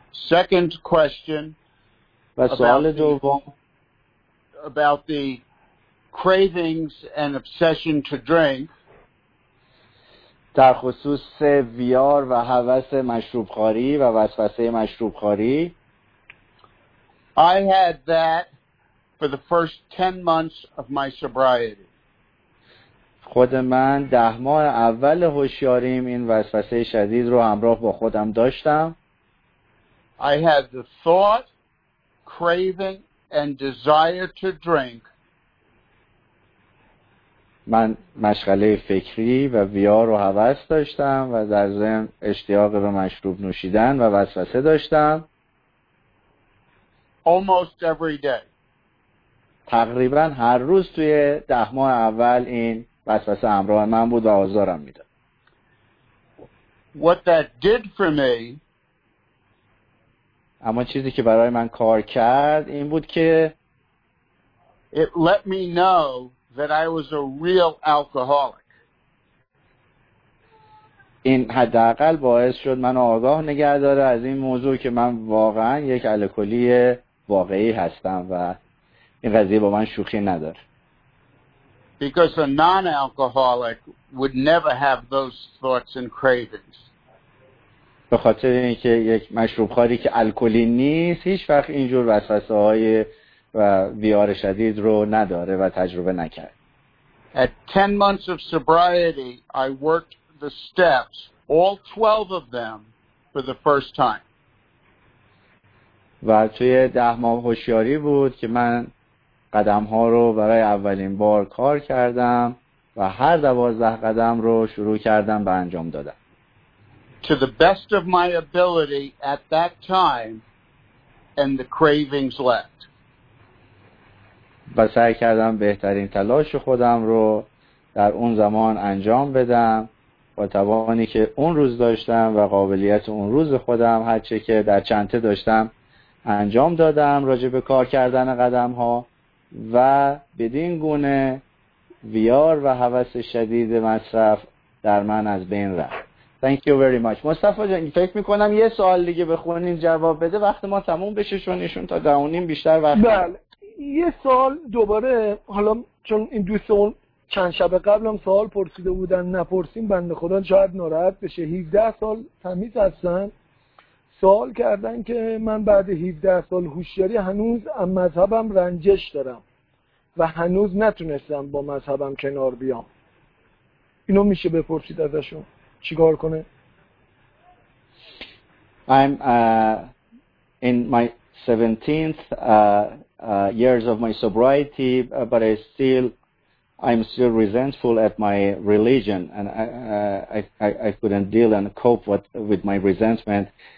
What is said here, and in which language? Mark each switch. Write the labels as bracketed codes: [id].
[en] Second question. [fa] و سوال دوم [en] about the cravings and obsession to drink. [fa] در خصوص ویار و هوس مشروبخواری و وسوسه مشروبخواری. [en] I had that for the first 10 months of my sobriety. [fa] خود من 10 ماه اول هوشیاریم این وسوسه شدید رو همراه با خودم داشتم. [en] I had the thought, craving and desire to drink. [fa] من مشغله فکری و ویار و هوس داشتم و در ذهن اشتیاق به مشروب نوشیدن و وسوسه داشتم. [en] Almost every day. [fa] تقریبا هر روز توی 10 ماه اول این وسوسه همراه من بود و آزارم میداد. [en] What that did for me. [fa] اما چیزی که برای من کار کرد این بود که [en] It let me know that I was a real alcoholic. [fa] این حداقل باعث شد من آگاه نگه داره از این موضوع که من واقعا یک الکلی واقعی هستم و این قضیه با من شوخی نداره. [en] Because a non-alcoholic would never have those thoughts and cravings. [fa] به خاطر اینکه یک مشروبخواری که الکلی نیست هیچ وقت اینجور وسوسه های و ویار شدید رو نداره و تجربه نکرد. [en] At 10 months of sobriety, I worked the steps, all 12 of them, for the first time. [fa] و توی 10 ماه هوشیاری بود که من قدم ها رو برای اولین بار کار کردم و هر 12 قدم رو شروع کردم به انجام دادم. [en] To the best of my ability at that time, and the cravings left. [fa] و سعی کردم بهترین تلاش خودم رو در اون زمان انجام بدم با توانی که اون روز داشتم و قابلیت اون روز خودم هرچه که در چنته داشتم انجام دادم راجع به کار کردن قدم ها و بدین گونه ویار و هوس شدید مصرف در من از بین رفت. [en] Thank you very much. [fa] مصطفی جان فکر میکنم یه سوال دیگه بخونین جواب بده وقت ما تموم بشه چون ایشون تا دعونیم بیشتر وقت. بله. یه سوال دوباره حالا چون این دوستمون چند شب قبل هم سوال پرسیده بودن نپرسیم بنده خدا شاید ناراحت بشه. 17 سال تمیز هستن سوال کردن که من بعد 17 سال هوشیاری هنوز از مذهبم رنجش دارم و هنوز نتونستم با مذهبم کنار بیام. اینو میشه بپرسید ازشون چیکار کنه؟ [en] I'm in my 17th years of my sobriety, but I'm still resentful at my religion, and I couldn't deal and cope with my resentment.